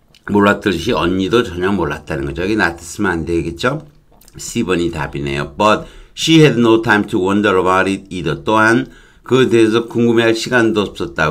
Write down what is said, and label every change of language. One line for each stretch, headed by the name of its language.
Korean: 몰랐듯이 언니도 전혀 몰랐다는 거죠. 여기 not 쓰면 안 되겠죠? C번이 답이네요.
English: But she had no time to wonder about it either.
Korean: 또한 그에 대해서 궁금해할 시간도 없었다.